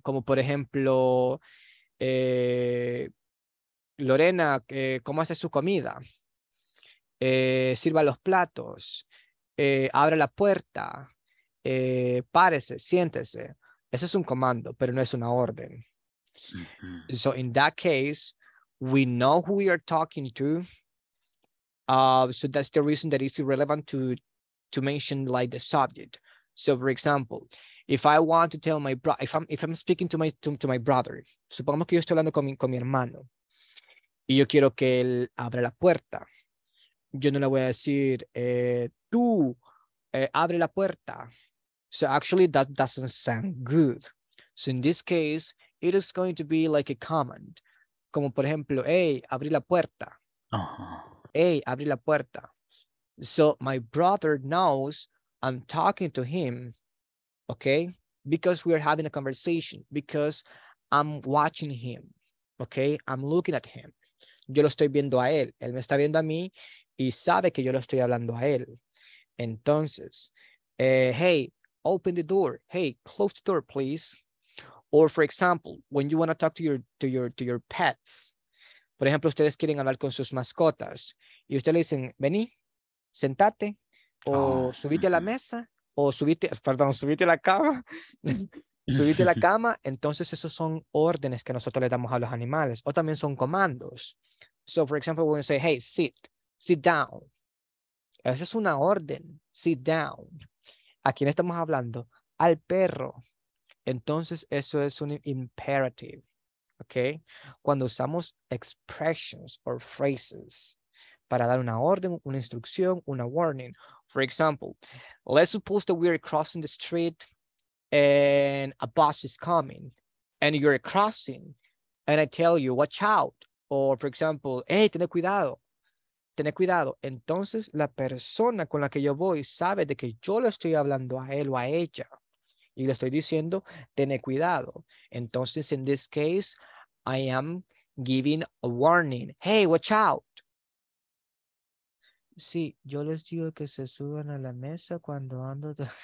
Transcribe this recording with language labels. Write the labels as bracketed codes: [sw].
[es] Como, por ejemplo, Lorena, ¿cómo hace su comida? Sirva los platos. Abre la puerta. Párese, siéntese. Eso es un comando, pero no es una orden. Mm-hmm. [en] So, in that case, we know who we are talking to. So, that's the reason that it's irrelevant to mention like the subject. So for example, if I want to tell my brother, if I'm speaking to my brother, [es] supongamos que yo estoy hablando con mi hermano y yo quiero que él abra la puerta. Yo no le voy a decir, tú abre la puerta. [en] So actually that doesn't sound good. So in this case, it is going to be like a command. [es] Como por ejemplo, hey, abre la puerta. Uh-huh. Hey, abre la puerta. [en] So my brother knows I'm talking to him, okay? Because we are having a conversation, because I'm watching him, okay? I'm looking at him. [es] Yo lo estoy viendo a él. Él me está viendo a mí y sabe que yo lo estoy hablando a él. [en] Entonces, hey, open the door. Hey, close the door, please. Or for example, when you want to talk to your pets. [es] Por ejemplo, ustedes quieren hablar con sus mascotas. Y ustedes le dicen, vení. Sentate, o subite a la mesa, o subite a la cama, subite a la cama. Entonces, esos son órdenes que nosotros le damos a los animales, o también son comandos. [en] So, for example, when you say, hey, sit down. [es] Esa es una orden, [en] sit down. [es] ¿A quién estamos hablando? Al perro. Entonces, eso es un imperative, okay? Cuando usamos [en] expressions or phrases, [es] para dar una orden, una instrucción, una warning. [en] For example, let's suppose that we're crossing the street and a bus is coming and you're crossing and I tell you, watch out. Or for example, hey, [es] ten cuidado. Entonces, la persona con la que yo voy sabe de que yo le estoy hablando a él o a ella y le estoy diciendo, ten cuidado. [en] Entonces, in this case, I am giving a warning. Hey, watch out. [es] Sí, yo les digo que se suban a la mesa cuando ando.